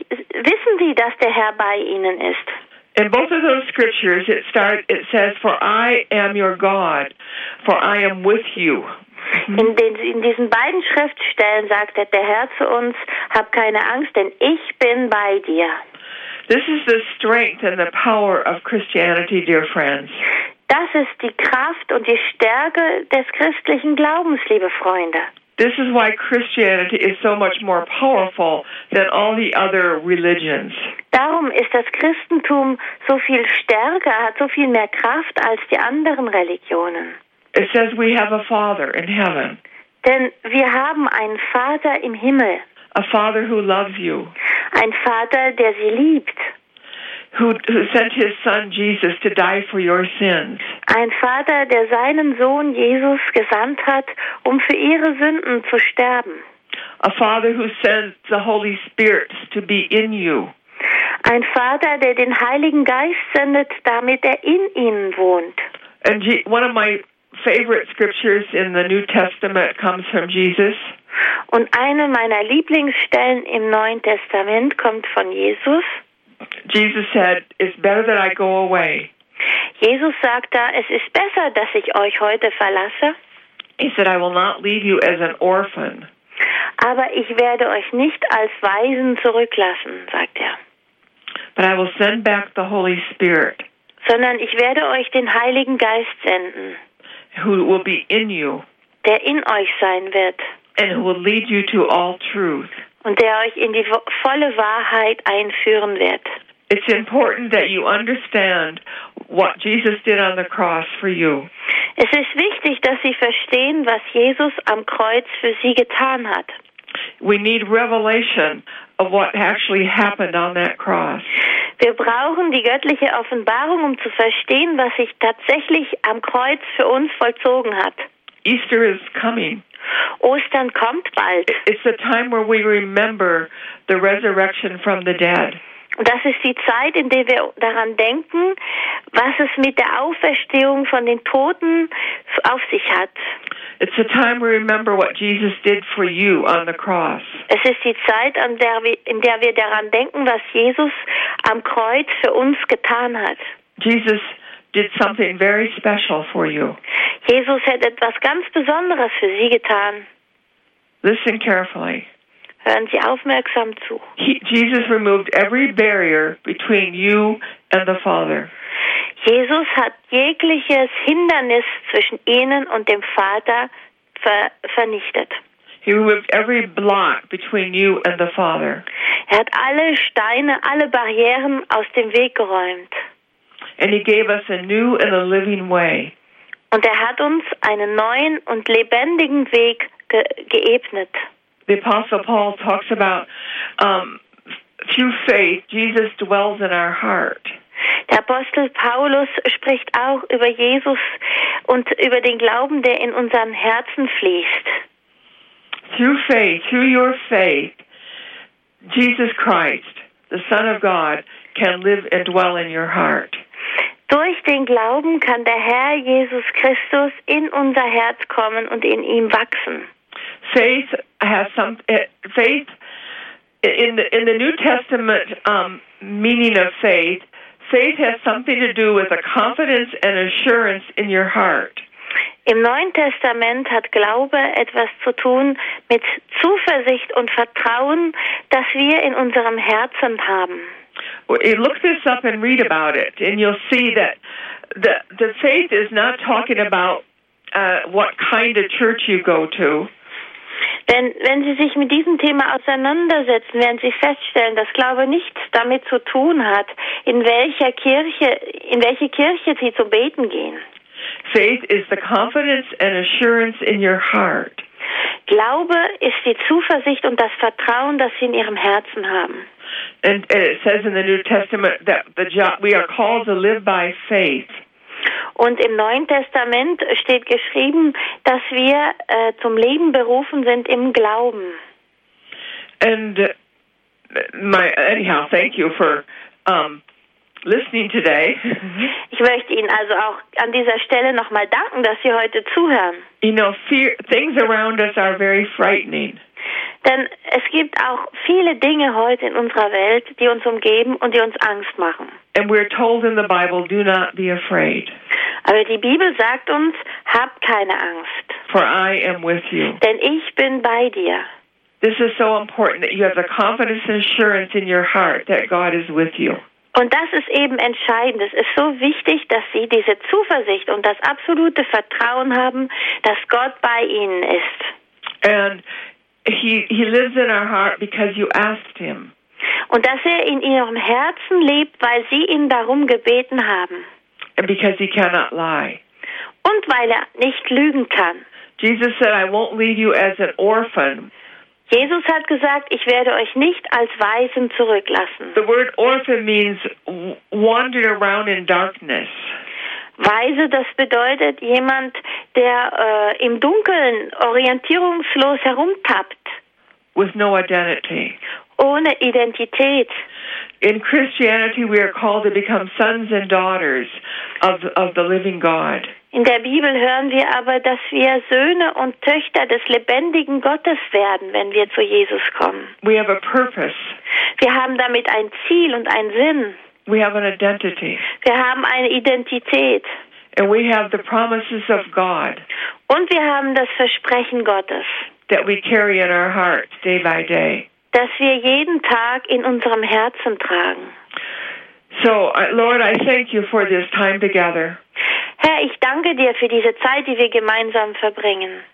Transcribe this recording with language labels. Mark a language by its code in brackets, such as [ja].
[de] Wissen Sie, dass der Herr bei Ihnen ist? [en] In both of those scriptures it says, for I am your God, for I am with you. [de] In diesen beiden Schriftstellen sagt der Herr zu uns, hab keine Angst, denn ich bin bei dir. [en] This is the strength and the power of Christianity, dear friends. [de] Das ist die Kraft und die Stärke des christlichen Glaubens, liebe Freunde. [en] This is why Christianity is so much more powerful than all the other religions. [de] Darum ist das Christentum so viel stärker, hat so viel mehr Kraft als die anderen Religionen. [en] It says we have a father in heaven. [de] Denn wir haben einen Vater im Himmel. [en] A father who loves you. [de] Ein Vater, der sie liebt. [en] Who sent his son Jesus to die for your sins. [de] Ein Vater, der seinen Sohn Jesus gesandt hat, um für ihre Sünden zu sterben. [en] A father who sent the Holy Spirit to be in you. [de] Ein Vater, der den Heiligen Geist sendet, damit in ihnen wohnt. [en] And one of my favorite scriptures in the New Testament comes from Jesus. [de] Und eine meiner Lieblingsstellen im Neuen Testament kommt von Jesus. [en] Jesus said, "It's better that I go away." [de] Jesus sagt da, es ist besser, dass ich euch heute verlasse. [en] He said, "I will not leave you as an orphan." [de] Aber ich werde euch nicht als Waisen zurücklassen, sagt er. [en] But I will send back the Holy Spirit. [de] Sondern ich werde euch den Heiligen Geist senden. [en] Who will be in you? [de] Der in euch sein wird. [en] And who will lead you to all truth? [de] Und der euch in die volle Wahrheit einführen wird. [en] It's important that you understand what Jesus did on the cross for you. [de] Es ist wichtig, dass Sie verstehen, was Jesus am Kreuz für Sie getan hat. [en] We need revelation of what actually happened on that cross. [de] Wir brauchen die göttliche Offenbarung, um zu verstehen, was sich tatsächlich am Kreuz für uns vollzogen hat. [en] Easter is coming. [de] Ostern kommt bald. [en] It's the time where we remember the resurrection from the dead. [de] Das ist die Zeit, in der wir daran denken, was es mit der Auferstehung von den Toten auf sich hat. [en] It's the time we remember what Jesus did for you on the cross. [de] Es ist die Zeit, in der wir daran denken, was Jesus am Kreuz für uns getan hat. [en] Jesus did something very special for you. [de] Jesus hat etwas ganz Besonderes für Sie getan. [en] Listen carefully. [de] Hören Sie aufmerksam zu. [en] Jesus removed every barrier between you and the Father. [de] Jesus hat jegliches Hindernis zwischen Ihnen und dem Vater vernichtet. [en] He removed every block between you and the Father. [de] Er hat alle Steine, alle Barrieren aus dem Weg geräumt. [en] And he gave us a new and a living way. [de] Und hat uns einen neuen und lebendigen Weg geebnet. [en] The Apostle Paul talks about through faith Jesus dwells in our heart. [de] Der Apostel Paulus spricht auch über Jesus und über den Glauben, der in unseren Herzen fließt. [en] Through faith, through your faith, Jesus Christ, the Son of God, can live and dwell in your heart. [de] Durch den Glauben kann der Herr Jesus Christus in unser Herz kommen und in ihm wachsen. [en] Faith in the New Testament meaning of faith. Faith has something to do with a confidence and assurance in your heart. [de] Im Neuen Testament hat Glaube etwas zu tun mit Zuversicht und Vertrauen, das wir in unserem Herzen haben. [en] Look this up and read about it, and you'll see that the faith is not talking about what kind of church you go to. [de] Wenn Sie sich mit diesem Thema auseinandersetzen, werden Sie feststellen, dass Glaube nichts damit zu tun hat, in welche Kirche Sie zu beten gehen. [en] Faith is the confidence and assurance in your heart. [de] Glaube ist die Zuversicht und das Vertrauen, das Sie in Ihrem Herzen haben. [en] And it says in the New Testament that we are called to live by faith. [de] Und im Neuen Testament steht geschrieben, dass wir zum Leben berufen sind im Glauben. [en] And anyhow, thank you for listening today. [de] Ich möchte Ihnen also auch an dieser Stelle nochmal danken, dass Sie heute zuhören. [en] You know, fear, things around us are very frightening. [de] Denn es gibt auch viele Dinge heute in unserer Welt, die uns umgeben und die uns Angst machen. [en] And we're told in the Bible, do not be afraid. [de] Aber die Bibel sagt uns, hab keine Angst. [en] For I am with you. [de] Denn ich bin bei dir. [en] This is so important that you have the confidence and assurance in your heart that God is with you. [de] Und das ist eben entscheidend. Es ist so wichtig, dass Sie diese Zuversicht und das absolute Vertrauen haben, dass Gott bei Ihnen ist. [en] And he lives in our heart because you asked him. [de] Und dass er in Ihrem Herzen lebt, weil Sie ihn darum gebeten haben. [en] And because he cannot lie. [de] Und weil er nicht lügen kann. [en] Jesus said, I won't leave you as an orphan. [de] Jesus hat gesagt, ich werde euch nicht als Waisen zurücklassen. [en] The word orphan means wandering around in darkness. [de] Waise, das bedeutet jemand, der im Dunkeln orientierungslos herumtappt. [en] With no identity. [de] Ohne Identität. [en] In Christianity we are called to become sons and daughters of the living God. [de] In der Bibel hören wir aber, dass wir Söhne und Töchter des lebendigen Gottes werden, wenn wir zu Jesus kommen. [en] We have a purpose. [de] Wir haben damit ein Ziel und einen Sinn. [en] We have an identity. [de] Wir haben eine Identität. [en] And we have the promises of God. [de] Und wir haben das Versprechen Gottes. [en] That we carry in our hearts day by day. [de] Dass wir jeden Tag in unserem Herzen tragen. [en] So, Lord, I thank you for this time together. [de] Herr, ich danke dir für diese Zeit, die wir gemeinsam verbringen.